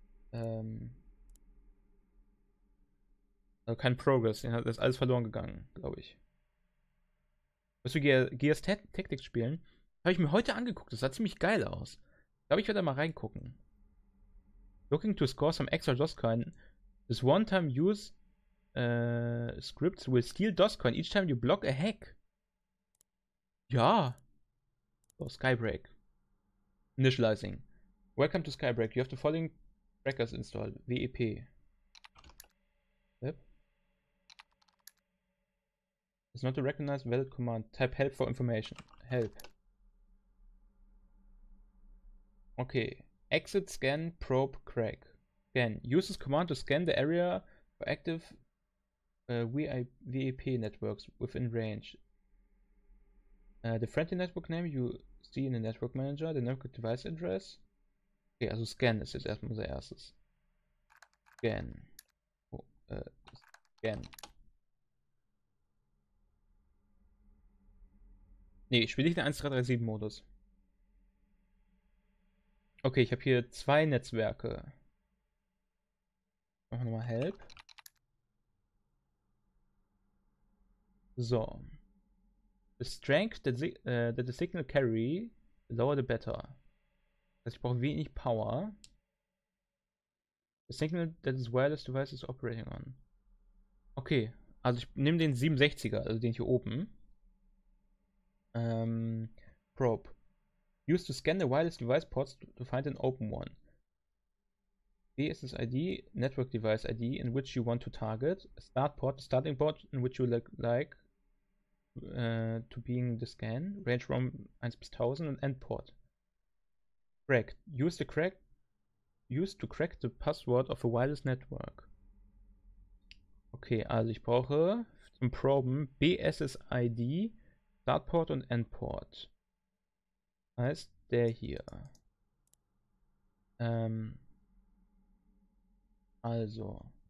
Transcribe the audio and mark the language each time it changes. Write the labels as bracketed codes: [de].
[de] Also kein Progress, der ist alles verloren gegangen, glaube ich. Willst du Gears Tactics spielen? Habe ich mir heute angeguckt, das sah ziemlich geil aus. glaube, ich werde mal reingucken. [en] Looking to score some extra DOSCoin. This one-time use scripts will steal DOSCoin each time you block a hack. Ja. Oh, Skybreak. Initializing. Welcome to Skybreak. You have the following crackers installed. WEP. Yep. It's not a recognized valid command. Type help for information. Help. Okay. Exit scan probe crack. Scan. Use this command to scan the area for active WEP networks within range. The friendly network name you see in the network manager. The network device address. [de] Okay, also scan ist jetzt erstmal unser erstes. [en] Scan. Oh, scan. [de] Ne, spiele ich den 1337-Modus. Okay, ich habe hier zwei Netzwerke. Machen wir mal Help. So. [en] The strength that the signal carry, the lower the better. [de] Also ich brauche wenig Power. [en] The signal that this wireless device is operating on. [de] Okay, also ich nehme den 67er, also den hier oben. [en] Probe. Use to scan the wireless device ports to find an open one. DSSID, network device ID in which you want to target. Start port, starting port in which you like to being the scan. Range from 1 bis 1000 and end port. Crack. Use to crack the password of a wireless network. [de] Okay, also ich brauche zum Proben BSSID, Startport und Endport. Heißt der hier. Also.